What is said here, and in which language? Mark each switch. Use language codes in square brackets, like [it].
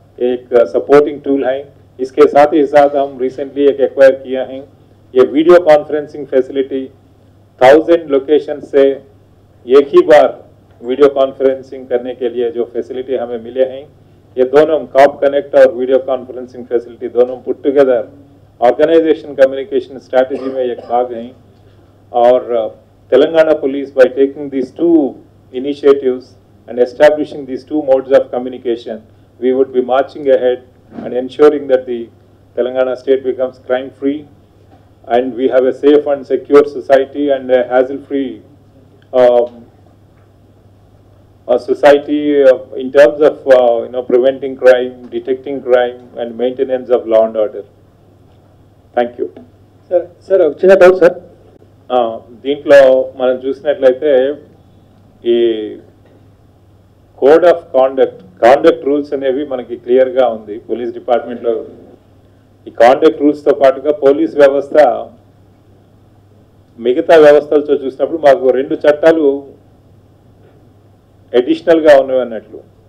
[hi] एक supporting tool है. इसके साथ ही साथ हम रिसेंटली एक एक्वायर किया है ये वीडियो कॉन्फ्रेंसिंग फैसिलिटी. 1000 लोकेशन से एक ही बार वीडियो कॉन्फ्रेंसिंग करने के लिए जो फैसिलिटी हमें मिले हैं ये दोनों कॉप कनेक्ट और वीडियो कॉन्फ्रेंसिंग फैसिलिटी दोनों put together organisation communication strategy में एक भाग हैं. [en] और Telangana police by taking this two initiatives and establishing this two modes of communication we would be marching ahead and ensuring that the Telangana state becomes crime free and we have a safe and secure society and a hassle free society in terms of you know preventing crime, detecting crime and maintenance of law and order. Thank you sir. Sir chinna doubt sir [te] deentlo manam chusinatlayite ee code of conduct conduct rules అనేవి మనకి క్లియర్గా ఉంది police డిపార్ట్మెంట్లో. ఈ conduct రూల్స్తో పాటుగా police వ్యవస్థ మిగతా వ్యవస్థలతో చూసినప్పుడు మాకు రెండు చట్టాలు అడిషనల్గా ఉన్నవి అన్నట్లు.